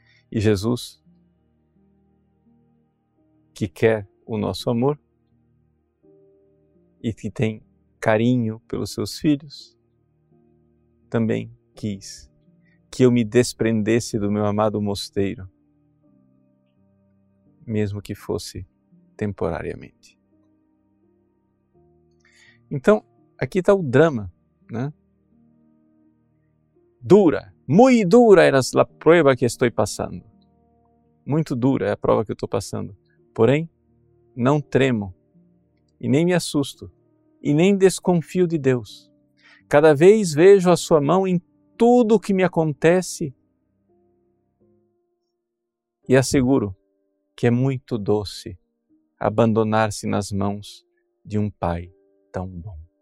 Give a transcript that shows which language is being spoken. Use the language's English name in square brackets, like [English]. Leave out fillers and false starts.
[Portuguese] E Jesus, que quer o nosso amor e que tem carinho pelos seus filhos, também quis que eu me desprendesse do meu amado mosteiro, mesmo que fosse temporariamente. Então, aqui está o drama, né? [Spanish] Dura, muy dura era a prueba [Portuguese] que estou passando. Muito dura é a prova que eu estou passando. Porém, não tremo e nem me assusto e nem desconfio de Deus. Cada vez vejo a sua mão em tudo o que me acontece e asseguro que é muito doce abandonar-se nas mãos de um Pai tão bom.